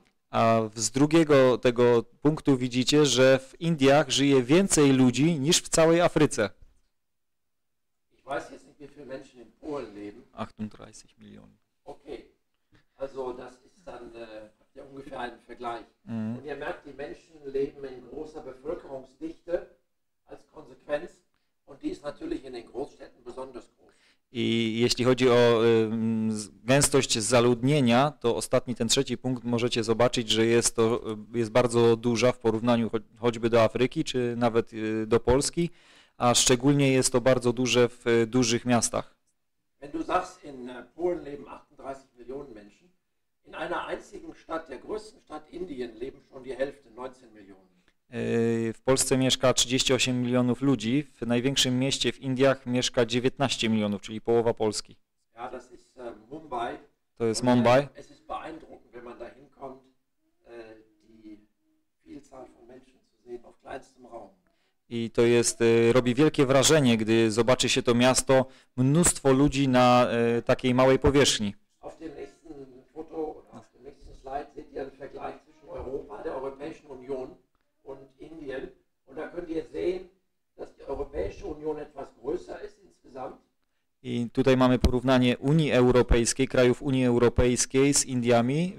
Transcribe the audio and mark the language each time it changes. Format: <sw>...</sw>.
<pl>A z drugiego tego punktu widzicie, że w Indiach żyje więcej ludzi niż w całej Afryce.</pl> <de>Ich weiß jetzt nicht, wie viele Menschen in Polen leben. 38 Millionen. Okay. Also das ist dann ja ungefähr ein Vergleich. Und ihr merkt, die Menschen leben in großer Bevölkerungsdichte als Konsequenz und die ist natürlich in den Großstädten besonders groß.</de> <pl>I jeśli chodzi o gęstość zaludnienia, to ostatni, ten trzeci punkt możecie zobaczyć, że jest to, jest bardzo duża w porównaniu choćby do Afryki, czy nawet do Polski, a szczególnie jest to bardzo duże w dużych miastach.</pl> <de>Wenn du sagst, in Polen leben 38 Millionen Menschen, in einer einzigen Stadt, der größten Stadt Indien, leben schon die Hälfte, 19 Millionen.</de> <pl>W Polsce mieszka 38 milionów ludzi, w największym mieście w Indiach mieszka 19 milionów, czyli połowa Polski.</pl> <de>Ja, das ist Mumbai.</de> <pl>To jest Mumbai.</pl> <de>Es ist beeindruckend, wenn man da hinkommt, die Vielzahl von Menschen zu sehen auf kleinstem Raum.</de> <pl>I to jest, robi wielkie wrażenie, gdy zobaczy się to miasto, mnóstwo ludzi na takiej małej powierzchni.</pl> <de>Auf dem nächsten Foto, auf dem nächsten Slide seht ihr einen Vergleich zwischen Europa, der Europäischen Union und Indien. Und da könnt ihr sehen, dass die Europäische Union etwas größer ist insgesamt.</de> <pl>I tutaj mamy porównanie Unii Europejskiej, krajów Unii Europejskiej z Indiami.</pl>